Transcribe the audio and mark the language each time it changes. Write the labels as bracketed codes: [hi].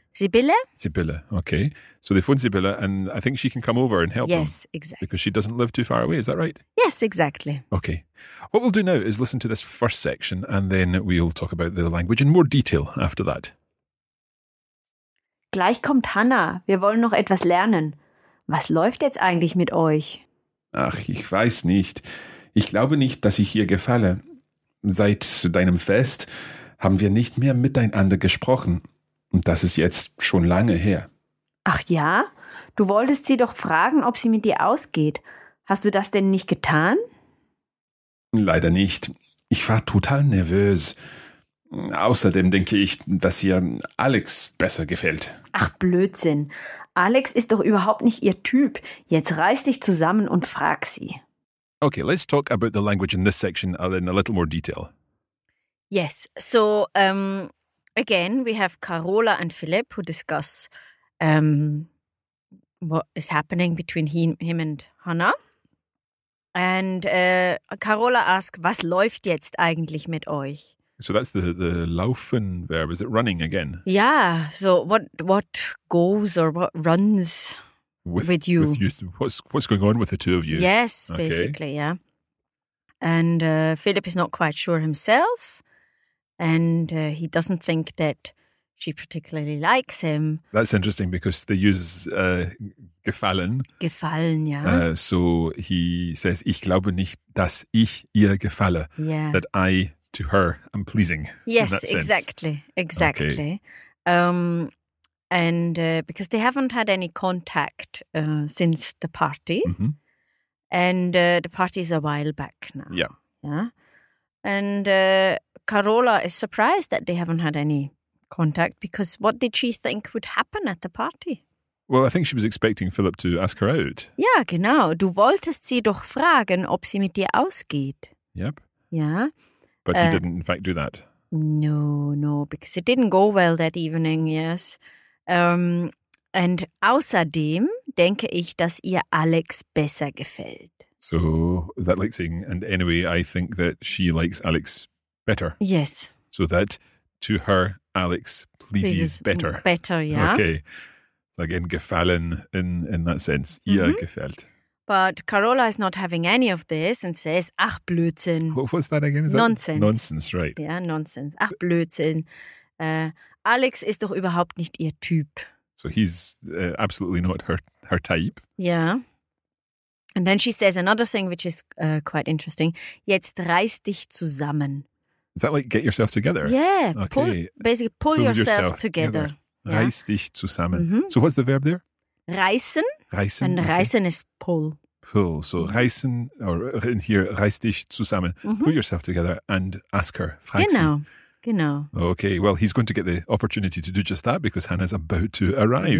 [en] Sibylle. Sibylle, okay. So they phone Sibylle and I think she can come over and help them. Yes, exactly. Because she doesn't live too far away, is that right? Yes, exactly. Okay. What we'll do now is listen to this first section and then we'll talk about the language in more detail after that. [de] Gleich kommt Hannah. Wir wollen noch etwas lernen. Was läuft jetzt eigentlich mit euch? Ach, ich weiß nicht. Ich glaube nicht, dass ich ihr gefalle. Seit deinem Fest haben wir nicht mehr miteinander gesprochen. Und das ist jetzt schon lange her. Ach ja? Du wolltest sie doch fragen, ob sie mit dir ausgeht. Hast du das denn nicht getan? Leider nicht. Ich war total nervös. Außerdem denke ich, dass ihr Alex besser gefällt. Ach Blödsinn. Alex ist doch überhaupt nicht ihr Typ. Jetzt reiß dich zusammen und frag sie. [en] Okay, let's talk about the language in this section in a little more detail. Yes, so again, we have Carola and Philip who discuss what is happening between him and Hannah. And Carola asks, [de] was läuft jetzt eigentlich mit euch? [en] So that's the laufen verb. Is it running again? Yeah, so what goes or what runs with you? What's going on with the two of you? Yes, okay. Basically, yeah. And Philip is not quite sure himself. And he doesn't think that she particularly likes him. That's interesting because they use gefallen. [de] Gefallen, ja. [en] So he says, [de] ich glaube nicht, dass ich ihr gefalle. [en] Yeah. That I, to her, am pleasing. Yes, exactly. Exactly. Okay. And because they haven't had any contact since the party. And the party is a while back now. Yeah. Yeah. And Carola is surprised that they haven't had any contact because what did she think would happen at the party? Well, I think she was expecting Philip to ask her out. [de] Ja, genau. Du wolltest sie doch fragen, ob sie mit dir ausgeht. [en] Yep. Yeah. But he didn't in fact do that. No, no, because it didn't go well that evening, yes. [de] And außerdem denke ich, dass ihr Alex besser gefällt. [en] So, is that like saying, and anyway, I think that she likes Alex better? Yes. So that, to her, Alex pleases better. Better, yeah. Okay. So again, gefallen in that sense. [de] Ihr gefällt. [en] But Carola is not having any of this and says, [de] ach, Blödsinn. [en] What's that again? Is nonsense. That nonsense, right. Yeah, nonsense. [de] Ach, Blödsinn. Alex ist doch überhaupt nicht ihr Typ. [en] So he's absolutely not her type. Yeah. And then she says another thing, which is quite interesting. [de] Jetzt reiß dich zusammen. [en] Is that like get yourself together? Yeah. Okay. Pull yourself together. Yeah. [de] Reiß dich zusammen. [en] Mm-hmm. So what's the verb there? [de] Reißen. Reißen. [en] And reißen is pull. Pull. So reißen, or in here, [de] reiß dich zusammen. Mm-hmm. [en] Pull yourself together and ask her. [de] Genau. Genau. [en] Okay. Well, he's going to get the opportunity to do just that because Hannah's about to arrive.